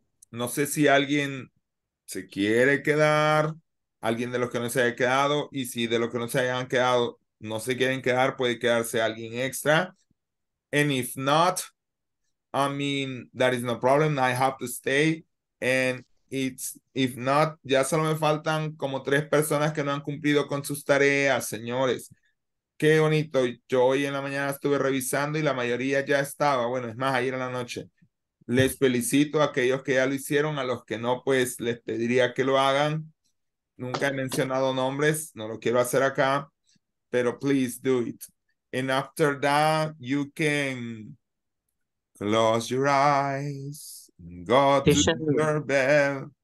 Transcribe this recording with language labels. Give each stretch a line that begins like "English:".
Spanish: No sé si alguien se quiere quedar, alguien de los que no se haya quedado, y si de los que no se hayan quedado no se quieren quedar, puede quedarse alguien extra.
English: And if not, I mean, that is no problem, I have to stay. And if not,
Spanish: ya solo me faltan como 3 personas que no han cumplido con sus tareas, señores. Qué bonito, yo hoy en la mañana estuve revisando y la mayoría ya estaba, bueno, es más, ayer en la noche. Les felicito a aquellos que ya lo hicieron, a los que no, pues les pediría que lo hagan. Nunca he mencionado nombres, no lo quiero hacer acá, pero
English: please do it. And after that, you can close your eyes, go to your bed.